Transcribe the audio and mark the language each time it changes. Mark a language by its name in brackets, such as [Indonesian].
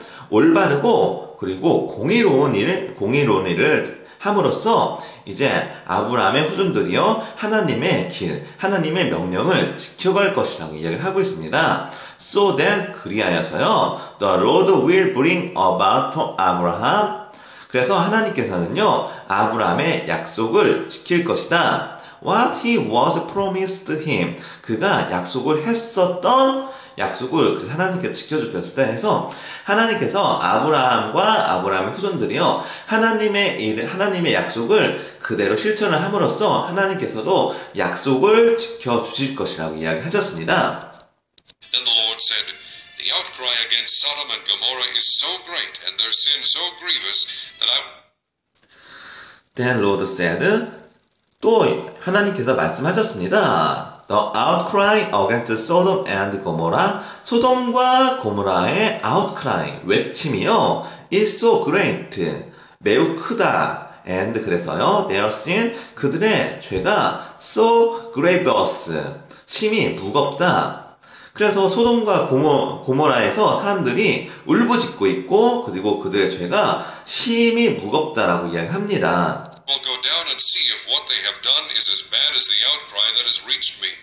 [Korean] 올바르고 그리고 공의로운 일을 함으로써 이제 아브라함의 후손들이요 하나님의 길, 하나님의 명령을 지켜갈 것이라고 이야기를 하고 있습니다. [English] So that [Korean] 그리하여서요 [English] the Lord will bring about Abraham. [Korean] 그래서 하나님께서는요 아브라함의 약속을 지킬 것이다. [English] What he was promised him. [Korean] 그가 약속을 했었던 약속을 하나님께서 지켜주셨다 해서 하나님께서 아브라함과 아브라함의 후손들이요 하나님의 약속을 그대로 실천을 함으로써 하나님께서도 약속을 지켜주실 것이라고 이야기하셨습니다. [English] Then the Lord said, The outcry against Sodom and Gomorrah is so great and their sin so grievous that I Then Lord said, [Korean] 또 하나님께서 말씀하셨습니다. [English] The outcry against Sodom and Gomorrah, [Korean] 소돔과 고모라의 [English] outcry, [Korean] 외침이요, [English] is so great, [Korean] 매우 크다. [English] And [Korean] 그래서요, [English] their sin, [Korean] 그들의 죄가 [English] so grievous, [Korean] 심히 무겁다. 그래서 소돔과 고모라에서 사람들이 울부짖고 있고, 그리고 그들의 죄가 심히 무겁다라고 이야기합니다. [English] We'll go down and see if what they have done is as bad as the outcry that has reached me.